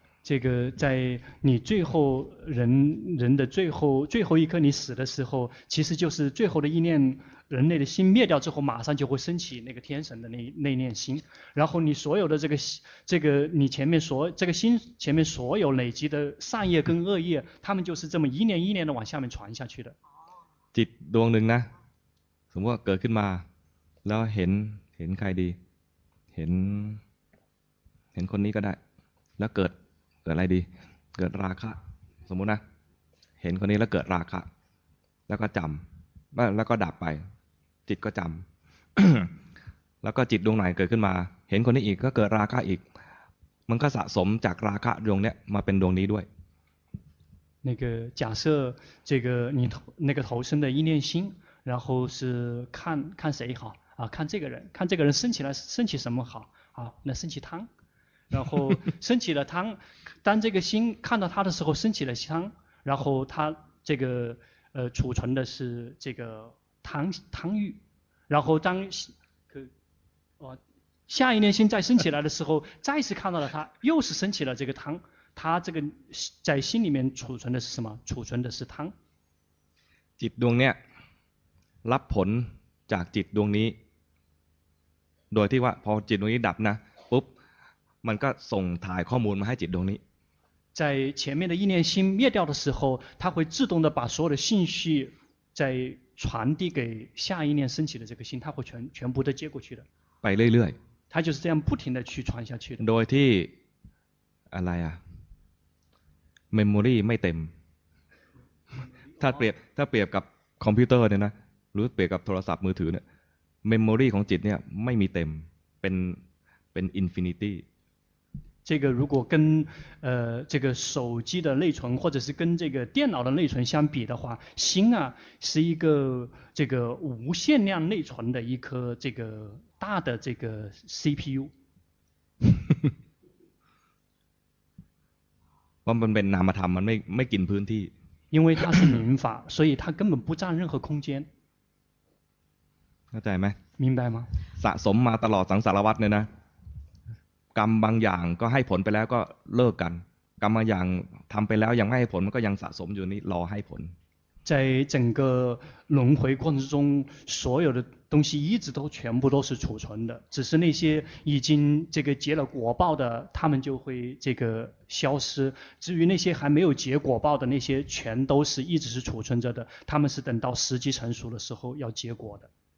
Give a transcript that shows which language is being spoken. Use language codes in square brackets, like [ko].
[zh] 这个在你最后人的最后一刻你死的时候其实就是最后的意念人类的心灭掉之后马上就会升起那个天神的那念心然后你所有的这个你前面所这个心前面所有累积的善业跟恶业他们就是这么一念一念的往下面传下去的 [th] จิตดวงหนึ่งนะสมมติว่าเกิดขึ้นมาแล้วเห็นใครดีเห็นคนนี้ก็ได้แล้วเกิดอะไรดีเกิดราคะสมมตินะเห็นคนนี้แล้วเกิดราคะแล้วก็จำแล้วก็ดับไปจิตก็จำ แล้วก็จิตดวงไหนเกิดขึ้นมาเห็นคนนี้อีกก็เกิดราคะอีกมันก็สะสมจากราคะดวงเนี้ยมาเป็นดวงนี้ด้วย [zh] 那个假设这个你那个投生的一念心然后是看看谁好啊？看这个人，看这个人升起来升起什么好啊？那升起贪，然后升起了贪，当这个心看到他的时候升起了贪，然后他这个储存的是这个贪欲，然后当下一念心再升起来的时候，再次看到了他，又是升起了这个贪，他这个在心里面储存的是什么？储存的是贪。 [th] จิตดวงเนี่ยรับผลจากจิตดวงนี้โดยที่ว่าพอจิตดวงนี้ดับนะปุ๊บมันก็ส่งถ่ายข้อมูลมาให้จิตดวงนี้ [zh] 在前面的意念心灭掉的时候它会自动的把所有的信息再传递给下一念升起的这个心它会全部的接过去的 [th] ไปเรื่อย [zh] ๆ它就是这样不停的去传下去的 [th] โดยที่อะไรอ่ะ memory ไม่เต็ม ถ้าเปรียบกับคอมพิวเตอร์เนี่ยนะหรือเปรียบกับโทรศัพท์มือถือเนี่ยเมมโมรีของจิตเนี่ยไม่มีเต็มเป็นอินฟินิตี้ [zh] 这个如果跟这个手机的内存或者是跟这个电脑的内存相比的话心啊是一个这个无限量内存的一颗这个大的这个 CPU [th] มันเป็นนามธรรมมันไม่กินพื้นที่ [zh] 因为它是灵法所以它根本不占任何空间 [th] เข้าใจไหม [zh] 明白吗 [th] สะสมมาตลอดสังสารวัฏเนี่ยนะกรรมบางอย่างก็ให้ผลไปแล้วก็เลิกกันกรรมบางอย่างทำไปแล้วยังไม่ให้ผลมันก็ยังสะสมอยู่นี่รอให้ผล [zh] 在整个轮回过程中所有的东西一直都全部都是储存的只是那些已经这个结了果报的他们就会这个消失至于那些还没有结果报的那些全都是一直是储存着的他们是等到时机成熟的时候要结果的